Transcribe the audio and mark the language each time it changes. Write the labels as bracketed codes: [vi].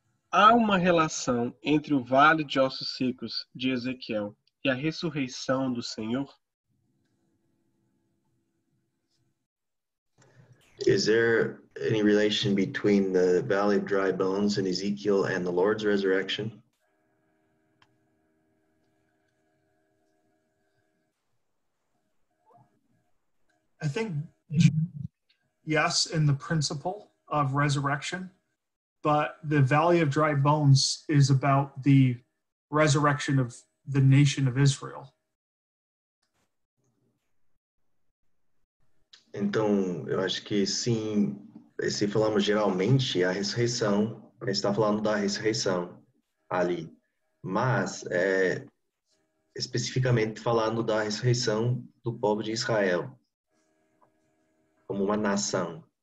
[pt] Há uma relação entre o vale de ossos secos de Ezequiel e a ressurreição do Senhor? [en] Is there any relation between the Valley of Dry Bones in Ezekiel and the Lord's resurrection? I think yes, in the principle of resurrection, but the Valley of Dry Bones is about the resurrection of the nation of Israel. [pt] Então, eu acho que sim, se falamos geralmente, a ressurreição, a gente está falando da ressurreição ali. Mas, especificamente falando da ressurreição do povo de Israel, como uma nação.